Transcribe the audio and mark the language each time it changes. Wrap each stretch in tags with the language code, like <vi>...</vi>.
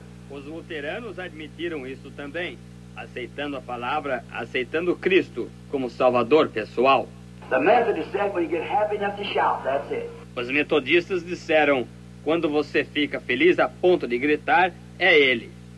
<pt>Os luteranos admitiram isso também, aceitando a palavra, aceitando Cristo como Salvador pessoal.</pt> <en>The Methodist said when you get happy enough to shout, that's it.</en> <pt>Os metodistas disseram, quando você fica feliz a ponto de gritar, é ele.</pt>